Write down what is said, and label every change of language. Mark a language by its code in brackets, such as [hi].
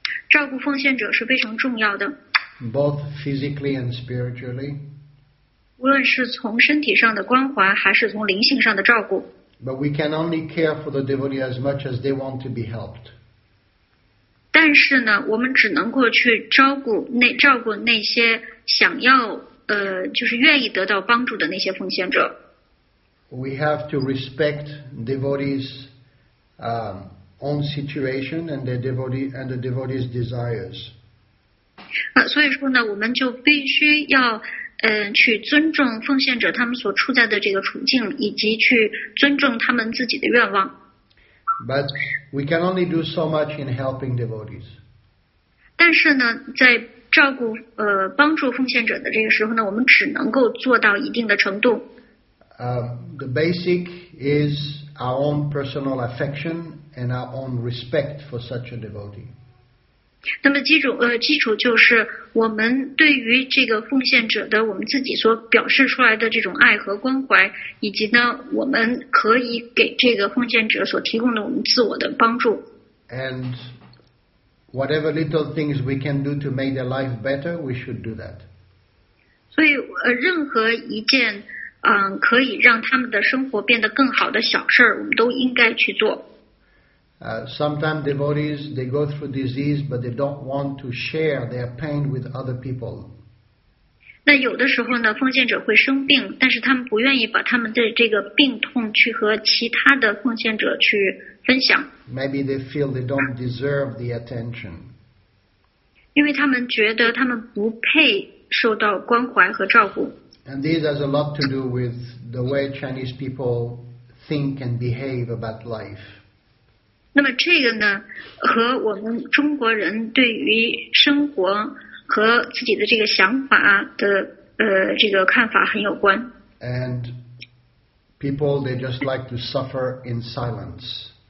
[zh] 照顾奉献者是非常重要的。 [en] Both physically and spiritually. [zh] 无论是从身体上的关怀，还是从灵性上的照顾。 [en] But we can only care for the devotee as much as they want to be helped. [zh] 但是呢，我们只能够去照顾那些想要。就是愿意得到帮助的那些奉献者。 [en] We have to respect devotees' own situation and the devotees' desires. [zh] 所以说呢，我们就必须要去尊重奉献者他们所处在的这个处境，以及去尊重他们自己的愿望。 [en] But we can only do so much in helping devotees. [zh] 但是呢，在照顾帮助奉献者的这个时候呢，我们只能够做到一定的程度。 [en] The basic is our own personal affection and our own respect for such a devotee. [zh] 那么基础就是我们对于这个奉献者的我们自己所表示出来的这种爱和关怀，以及呢我们可以给这个奉献者所提供的我们自我的帮助。 [en] And whatever little things we can do to make their life better, we should do that. [zh] 所以任何一件可以让他们的生活变得更好的小事我们都应该去做。 [en] Sometimes devotees, they go through disease, but they don't want to share their pain with other people. [zh] 那有的时候呢，奉献者会生病，但是他们不愿意把他们的这个病痛去和其他的奉献者去分享。 [en] Maybe they feel they don't deserve the attention. [zh] 因为他们觉得他们不配受到关怀和照顾。 [en] And this has a lot to do with the way Chinese people think and behave about life. [zh] 那么这个呢，和我们中国人对于生活和自己的这个想法的这个看法很有关。 [en] And people they just like to suffer in silence.